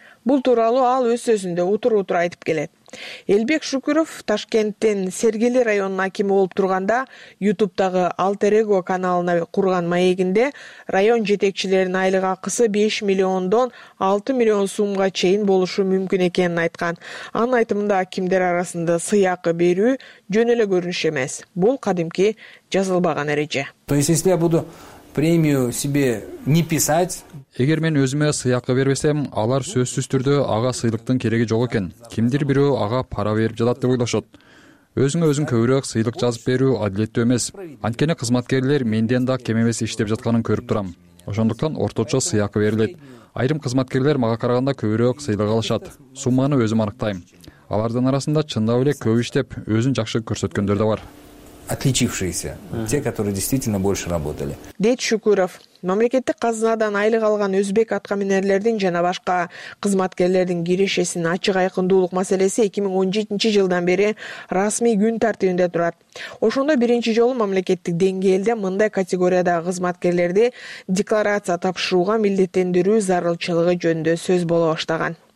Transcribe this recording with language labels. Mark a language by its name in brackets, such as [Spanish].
[Kyrgyz] Бул тууралуу ал өз сөзүндө утур-утур айтып келет. Элбек Шүкүров Ташкенттин Сергели районунун акими болуп турганда YouTube-дагы Alter Ego каналына курган маегинде район жетекчилеринин айлык акысы 5 миллиондон 6 миллион сумга чейин болушу мүмкүн экенин айткан. Анын айтымында акимдер арасында сыйакы берүү жөн эле көрүнүш эмес. Бул кадимки жазылбаган эреже. [Russian] То есть если я буду премию себе не писать. [Kyrgyz] Эгер мен өзүмө сыйакы бербесем, алар сөзсүз түрдө ага сыйлыктын кереги жок экен. Кимдир бирөө ага пара берип жатат деп ойлошот. Өзүңө өзүн көбүрөөк сыйлык жазып берүү адилеттүү эмес. Анткени кызматкерлер менден да кем эмес иштеп жатканын көрүп турам. Ошондуктан орточо сыйакы берилет. Айрым кызматкерлер мага караганда көбүрөөк сыйлык алышат. Сумманы өзүм аныктайм. Алардын арасында чындап эле көп иштеп, өзүн жакшы көрсөткөндөр да бар. [Russian] Отличившиеся, те, которые действительно больше работали. [Kyrgyz] Дейт Шүкүров. Мамлекеттик казынадан айлык алган өзбек аткаминерлердин жана башка кызматкерлердин кирешесин ачык айкындуулук маселеси 2017 жылдан бери расмий күн тартибинде турат. Ошондо биринчи жолу мамлекеттик деңгээлде мындай категориядагы кызматкерлерди декларация тапшырууга милдеттендирүү зарылчылыгы жөнүндө сөз боло баштаган.